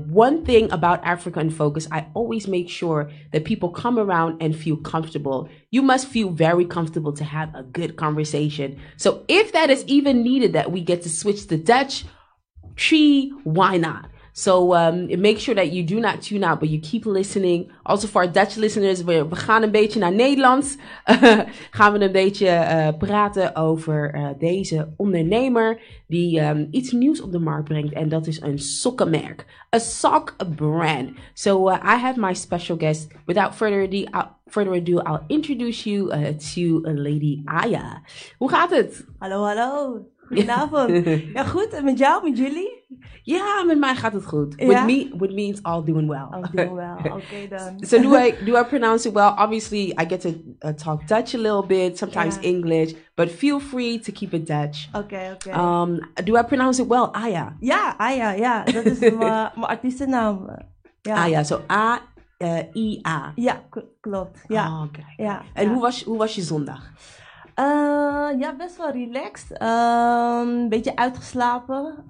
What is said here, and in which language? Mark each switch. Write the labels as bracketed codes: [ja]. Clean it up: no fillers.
[en] One thing about Africa in Focus, I always make sure that people come around and feel comfortable. You must feel very comfortable to have a good conversation. So if that is even needed, that we get to switch to Dutch, tree, why not? So make sure that you do not tune out, but you keep listening. Also for our Dutch listeners, [nl] we gaan een beetje naar Nederlands. Gaan we een beetje praten over deze ondernemer die iets nieuws op de markt brengt. En dat is een sokkenmerk. [en] A sock brand. So I have my special guest. Without further ado, I'll introduce you to Lady Aia. [nl] Hoe gaat het? Hallo, hallo. Goedenavond. Ja, goed. En met jou, met jullie? Ja, met mij gaat het goed. Ja? [en] With me, it's all doing well. All doing well. Okay, then. So do I pronounce it well? Obviously, I get to talk Dutch a little bit, sometimes yeah. English, but feel free to keep it Dutch. Okay. Do I pronounce it well? Aia. [nl] Ja, Aia. Ja, dat is mijn artiestennaam. [en] Ja. Aia, so A-I-A. [nl] Ja, klopt. Ja. Oh, okay. Ja. En ja. Hoe was je zondag? Ja, best wel relaxed. Een beetje uitgeslapen.